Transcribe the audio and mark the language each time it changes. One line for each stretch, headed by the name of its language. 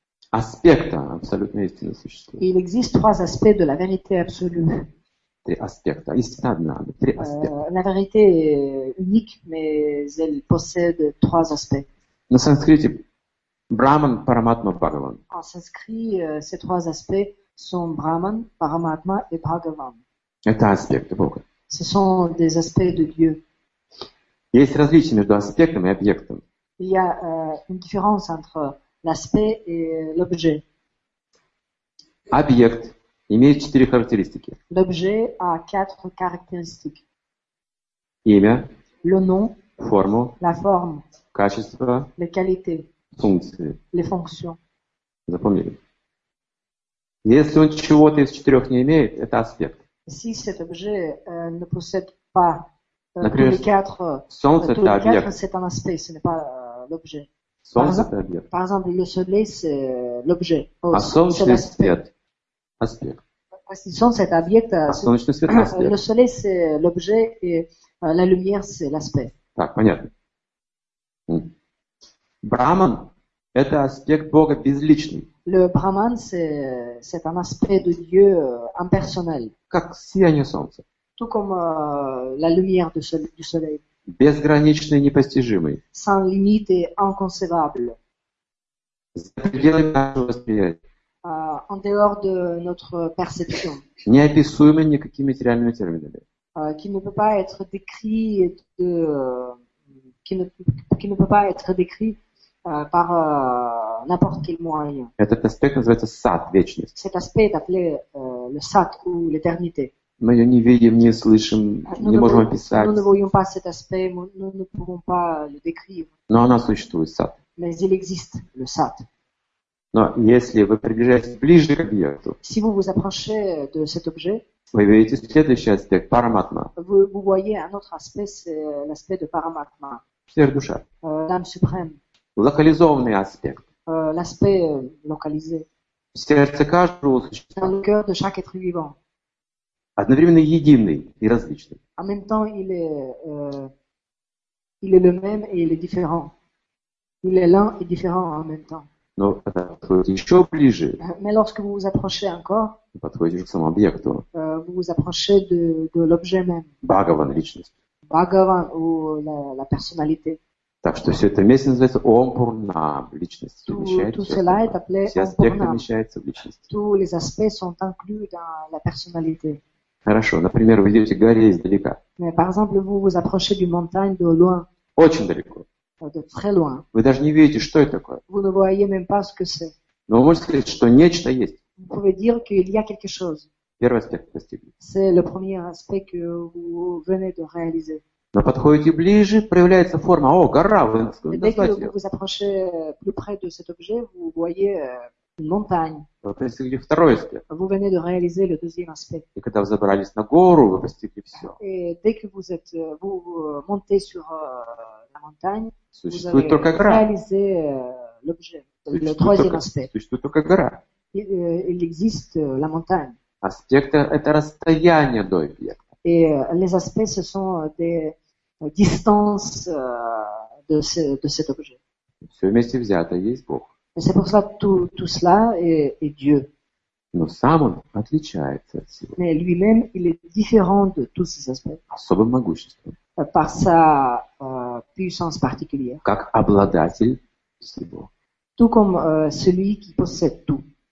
Russian: Аспекта абсолютной истины существует.
French: Il existe trois aspects de la vérité absolue.
Russian: Три аспекта. Истина одна, но три аспекта.
French: La vérité est unique, mais elle possède trois aspects.
Russian: На санскрите Brahman, Paramatma, Bhagavan.
French: En sanskrit, ces trois aspects sont Brahman, Paramatma et Bhagavan.
Russian: Это аспекты Бога.
French: Ce sont des aspects de Dieu.
Russian: Есть различия между аспектом и объектом.
French: Il y a une différence entre l'aspect et l'objet.
Russian: Объект имеет четыре характеристики.
French: L'objet a quatre caractéristiques.
Russian: Имя.
French: Le nom.
Russian: Форму.
French: La forme.
Russian: Качество.
French: Les qualités.
Russian: Функции.
French: Les fonctions.
Russian: Запомнили? Если он чего-то из четырех не имеет, это аспект.
French: Si cet objet ne possède pas
Russian: Например,
French: les quatre,
Russian: солнце это
French: les quatre,
Russian: объект.
French: C'est un aspect, ce n'est pas l'objet.
Russian: Солнце
French: par, exemple, par exemple, le soleil, c'est l'objet.
Russian: Oh, а солнечный свет – аспект.
French: Si
Russian: солнце – это объект,
French: le soleil, c'est l'objet, et la lumière, c'est l'aspect.
Russian: Так, понятно. Брахман – это аспект Бога безличный.
French: Le Brahman, c'est un aspect de Dieu impersonnel.
Russian: Как сияние солнца.
French: Tout comme la lumière du soleil.
Russian: Безграничный, непостижимый.
French: Sans limite et inconcevable.
Russian: За пределами нашего восприятия.
French: En dehors de notre perception.
Russian: Неописуемый никакими материальными терминами.
French: Qui ne peut pas être décrit de, qui ne peut pas être décrit par n'importe quel moyen.
Russian: Этот аспект называется сат, вечность.
French: Cet aspect est appelé le сат ou l'éternité.
Russian: Мы ее не видим, не слышим, не можем описать.
French: Nous ne voyons pas cet aspect, nous ne pouvons pas le décrire.
Russian: Но она существует, сад.
French: Mais il existe, le сад.
Russian: Но если вы приближаетесь ближе к объекту,
French: si vous vous approchez de cet objet,
Russian: вы видите следующий аспект, параматма.
French: Vous voyez un autre aspect, c'est l'aspect de параматма.
Russian: Сверхдуша.
French: L'âme suprême.
Russian: Локализованный аспект.
French: L'aspect localisé.
Russian: Сердце каждого существа.
French: Dans le cœur de chaque être vivant.
Russian: Одновременно единый и различный.
French: En même temps, il est le même et il est différent. Il est l'un et différent en même temps.
Russian: Но подходите еще ближе.
French: Mais lorsque vous vous approchez encore, vous
Russian: подходите к самому объекту.
French: Vous vous approchez de l'objet même.
Russian: Bhagavan, личность.
French: Bhagavan ou la personnalité.
Russian: Так что все это вместе называется Ом Пурнам, личность.
French: Tout cela est appelé Ом Пурнам.
Russian: Все аспекты вмещаются в личность.
French: Tous les aspects sont inclus dans la personnalité.
Russian: Хорошо. Например, вы идете к горе издалека.
French: Mais, par exemple, vous vous approchez d'une montagne de loin.
Russian: Очень далеко.
French: De très loin.
Russian: Вы даже не видите, что это такое.
French: Vous ne voyez même pas ce que c'est.
Russian: Но вы можете сказать, что нечто есть.
French: Vous pouvez dire qu'il y a quelque chose.
Russian: Первый аспект достигли.
French: C'est le premier aspect que vous venez de réaliser.
Russian: Но подходите ближе, проявляется форма. О, гора! Вы
French: dès que vous vous approchez plus près de cet objet, vous voyez montagne.
Russian: Вы постигли второй аспект.
French: Vous venez de réaliser le deuxième aspect.
Russian: И когда вы забрались на гору, вы постигли все.
French: Et dès que vous êtes vous montez sur la montagne,
Russian: существует
French: vous avez réalisé l'objet, le troisième aspect.
Russian: Существует только гора.
French: Il existe la montagne.
Russian: Аспекты – это расстояние до объекта.
French: Et les aspects, ce sont des distances de cet objet.
Russian: Все вместе взято, есть Бог.
French: Et c'est pour cela que tout cela est Dieu.
Russian: Но сам он отличается от всего.
French: Mais lui-même, il est différent de tous ces aspects.
Russian: Особым могуществом.
French: Par sa puissance particulière.
Russian: Как обладатель всего.
French: Tout comme celui qui possède tout.